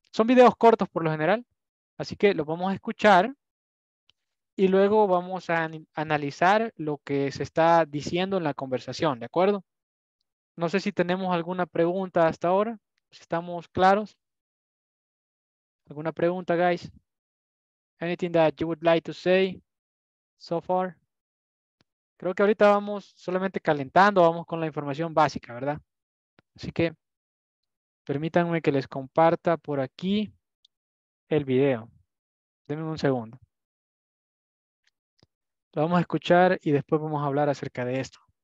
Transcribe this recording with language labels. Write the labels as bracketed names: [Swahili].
[Spanish] Son videos cortos por lo general, así que los vamos a escuchar y luego vamos a analizar lo que se está diciendo en la conversación, ¿de acuerdo? No sé si tenemos alguna pregunta hasta ahora, si estamos claros. ¿Alguna pregunta, guys? [English] Anything that you would like to say so far? [Spanish] Creo que ahorita vamos solamente calentando, vamos con la información básica, ¿verdad? Así que permítanme que les comparta por aquí el video. Denme un segundo. Lo vamos a escuchar y después vamos a hablar acerca de esto.